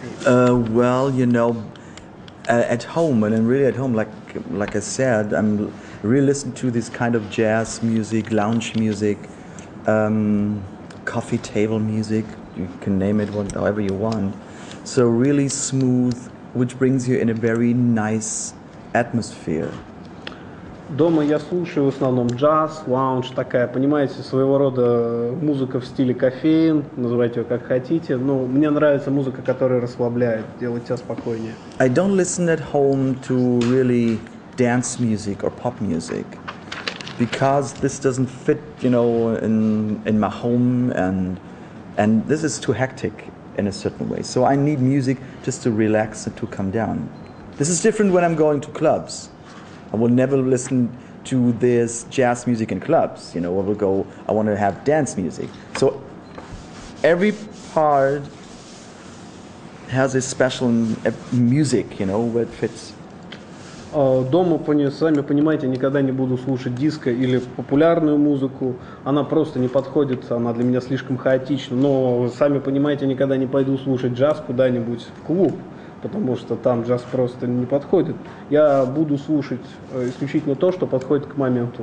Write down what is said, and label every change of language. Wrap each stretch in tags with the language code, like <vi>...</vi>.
<en>Well, you know, at home, and I'm really at home, like I said, I'm really listening to this kind of jazz music, lounge music, coffee table music. You can name it however you want. So really smooth, which brings you in a very nice atmosphere.</en> <ru>Дома я слушаю в основном джаз, лаунж, такая, понимаете, своего рода музыка в стиле кофеин, называйте ее как хотите. Но мне нравится музыка, которая расслабляет, делает тебя спокойнее.</ru> <en>I don't listen at home to really dance music or pop music, because this doesn't fit, you know, in my home and this is too hectic in a certain way. So I need music just to relax and to calm down. This is different when I'm going to clubs. I will never listen to this jazz music in clubs. You know, I will go, I want to have dance music. So every part has a special music, you know, where it fits.</en> <ru>Дома, сами понимаете, никогда не буду слушать диско или популярную музыку. Она просто не подходит, она для меня слишком хаотична. Но, сами понимаете, никогда не пойду слушать джаз куда-нибудь в клуб, потому что там джаз просто не подходит. Я буду слушать исключительно то, что подходит к моменту.</ru>